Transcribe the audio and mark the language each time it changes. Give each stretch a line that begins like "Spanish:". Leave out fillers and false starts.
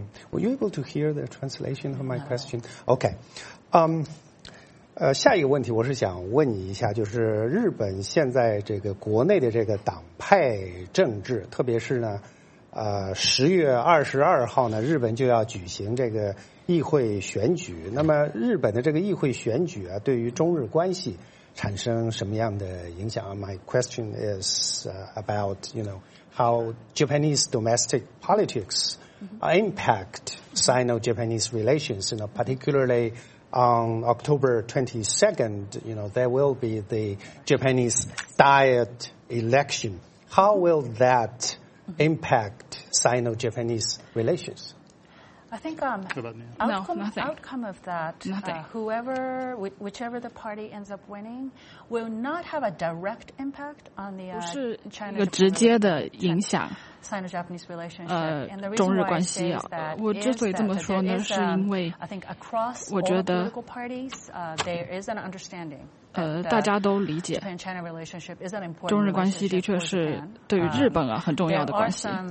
English: Were you able to hear the translation of my question? Okay.
Chinese: 下一个问题我是想问你一下，就是日本现在这个国内的这个党派政治，特别是呢，10月22号呢，日本就要举行这个议会选举。那么日本的这个议会选举啊，对于中日关系产生什么样的影响
English: ？My question is about you know how Japanese domestic politics impact Sino-Japanese relations, you know, particularly. On October 22nd, you know, there will be the Japanese Diet election. How will that impact Sino-Japanese relations? I think outcome of that, whichever the party ends up winning, will not have a direct impact on the Sino-Japanese relationship.
Chinese: 中日关系啊，我之所以这么说呢，是因为我觉得，大家都理解，中日关系的确是对于日本啊很重要的关系。